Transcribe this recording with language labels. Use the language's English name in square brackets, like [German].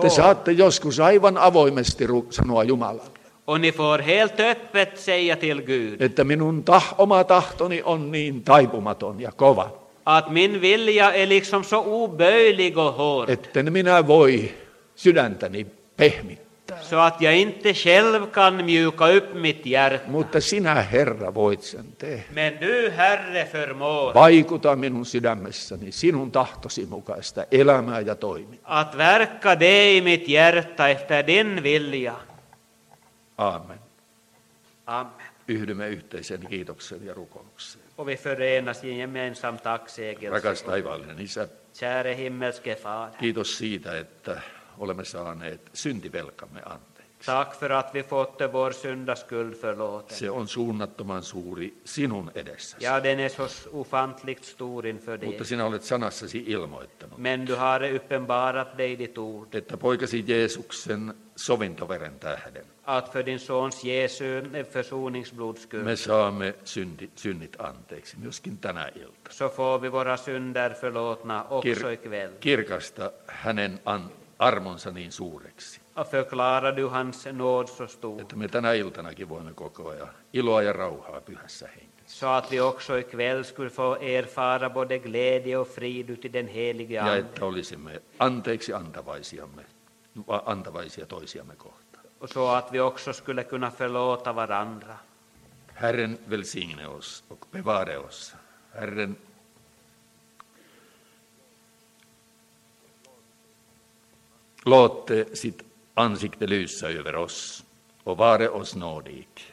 [Finnish] Te saatte joskus aivan avoimesti sanoa Jumalalle. [Swedish] Och ni får helt öppet säga till Gud. [Finnish] Että minun oma tahtoni on niin taipumaton ja kova. [Swedish] Att min vilja är liksom så oböjlig och hård. [Finnish] Etten minä voi sydäntäni pehmittää. [Swedish] Så att jag inte själv kan mjuka upp mitt hjärta. [Finnish] Mutta sinä, Herra, voit sen tehdä. [Swedish] Men du, Herre, förmår. [Finnish] Vaikuta minun sydämessäni sinun tahtosi mukaista elämää ja toimintaa. [Swedish] Att verka dig i mitt hjärta efter din vilja. [Finnish] Aamen. [Swedish] Aamen. [Finnish] Yhdymme yhteisen kiitoksen ja rukoukseen. [Swedish] Och vi förenas gemensam tacksägelse. [Finnish] Rakas taivaallinen Isä. [Swedish] Käre himmelske Fader. [Finnish] Kiitos siitä, että olemme saaneet syntivelkamme anteeksi. [Swedish] Tack för att vi fått vår syndaskuld förlåten. [Finnish] Se on suunnattoman suuri sinun edessäsi. [Swedish] Ja, den är så ofantligt stor inför dig. [Finnish] Mutta sinä olet sanassasi ilmoittanut. [Swedish] Men du har uppenbarat dig ditt ord. [Finnish] Että poikasi Jeesuksen sovintoveren tähden. [Swedish] Att för din sons Jesu försoningsblodskuld. [Finnish] Me saamme synnit anteeksi myöskin tänä ilta. [Swedish] Så får vi våra synder förlåtna också ikväll. [Finnish] Kirkasta hänen armonsa niin suureksi. [Swedish] Förklarar du hans nåd så stor. [Finnish] Että me tänä iltanakin voimme kokea iloa ja rauhaa pyhässä hengessä. [Swedish] Så att vi också ikväll skulle få erfara både glädje och frid ut i den helige ande. [Finnish] Ja, että olisimme anteeksi antavaisia toisiamme kohtaan. [Swedish] Så att vi också skulle kunna förlåta varandra. Herren välsigne oss och bevare oss. Herren låtte sitt ansikte lysa över oss och vare oss nådig.